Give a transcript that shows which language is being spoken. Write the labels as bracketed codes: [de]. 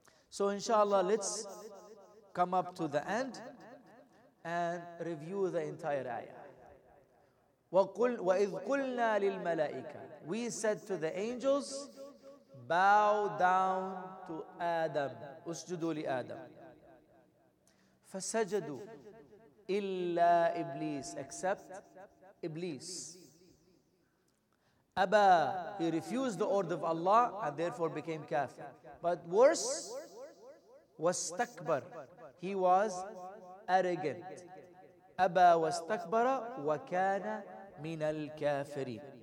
[en] So inshallah, let's come up to the end and review the entire ayah. [ar] وَإِذْ قُلْنَا لِلْمَلَائِكَةِ, [en] we said to the angels, bow down to Adam. [ar] أُسْجُدُوا لِآدَمْ. فَسَجَدُوا إِلَّا إِبْلِيسِ, [en] except Iblis. [ar] أَبَى, [en] he refused the order of Allah and therefore became kafir. But worse, [ar] وَاسْتَكْبَرْ, [en] he was arrogant. [ar] أَبَى وَاسْتَكْبَرَ وَكَانَ مِنَ الْكَافِرِينَ.